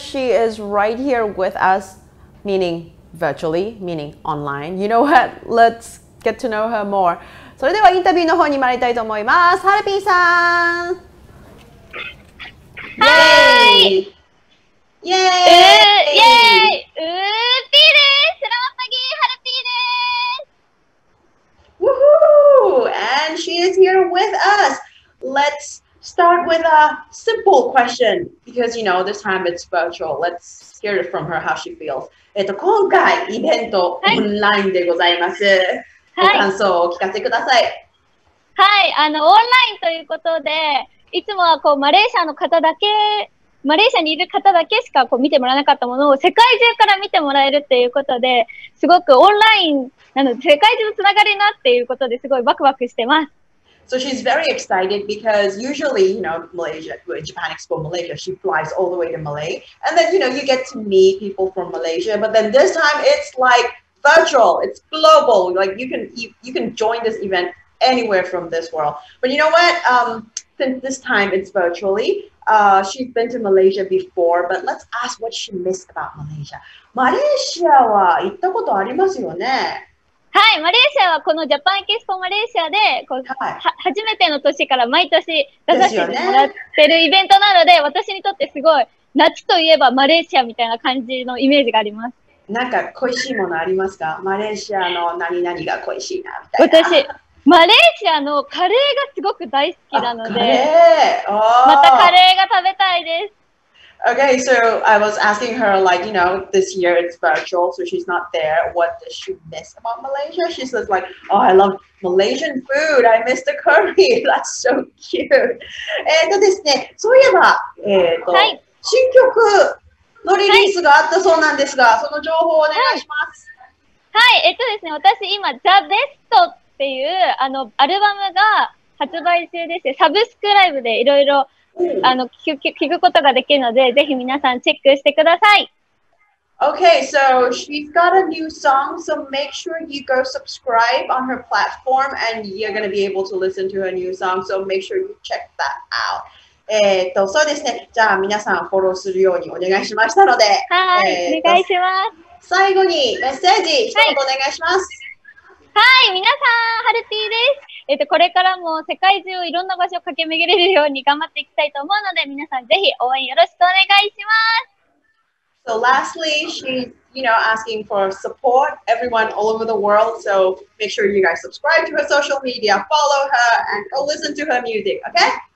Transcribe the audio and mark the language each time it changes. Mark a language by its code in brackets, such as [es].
[en] She is right here with us, meaning virtually, meaning online. You know what? Let's get to know her more. [ja] それではインタビューの方に参りたいと思います。 Harupiiさん! [en] Hi! Yay! [ja] Harupiiです ! Hello, Maggie! Harupiiです! [en] Woohoo! And she is here with us! Let's start with a simple question because you know this time it's virtual. Let's hear it from her how she feels. [ja] 今回イベントオンラインでございます。はい、ご感想をお聞かせください。はい、オンラインということで、いつもはこうマレーシアの方だけ、マレーシアにいる方だけしかこう見てもらえなかったものを世界中から見てもらえるということで、すごくオンラインなので世界中のつながりなっていうことですごいワクワクしてます。 [en] So she's very excited because usually, you know, Malaysia, Japan Expo Malaysia, she flies all the way to Malay. And then, you know, you get to meet people from Malaysia. But then this time it's like virtual, it's global. Like you can join this event anywhere from this world. But you know what? Since this time it's virtually, she's been to Malaysia before. But let's ask what she missed about Malaysia. [ja] Malaysia は行ったことありますよね? はい、マレーシアはこのジャパンエキスポマレーシアでこう、はい、初めての年から毎年出させてもらってるイベントなので、私にとってすごい夏といえばマレーシアみたいな感じのイメージがあります。なんか恋しいものありますか？マレーシアの何々が恋しいなみたいな。私マレーシアのカレーがすごく大好きなので。カレー、 oh. またカレーが食べたいです。 [en] Okay, so I was asking her like, you know, this year it's virtual, so she's not there. What does she miss about Malaysia? She says like, oh, I love Malaysian food. I miss the curry. That's so cute. [ja] ですね、そういえば、はい、新曲のリリースがあったそうなんですが、はい、その情報をお願いします。はい、はい、ですね、私今 The Best っていうあのアルバムが発売中でして、サブスクライブでいろいろ聞くことができるので、ぜひ皆さんチェックしてください。 [en] Okay, so she's got a new song, so make sure you go subscribe on her platform and you're gonna be able to listen to her new song, so make sure you check that out. [ja] そうですね、じゃあ皆さんフォローするようにお願いしましたので、はい、お願いします。最後にメッセージ一言お願いします。はい、はい、皆さん、ハルピーです。これからも世界中いろんな場所を駆け巡れるように頑張っていきたいと思うので、皆さんぜひ応援よろしくお願いします。 [en] So lastly, she's, you know, asking for support, everyone all over the world. So make sure you guys subscribe to her social media, follow her, and go listen to her music, okay?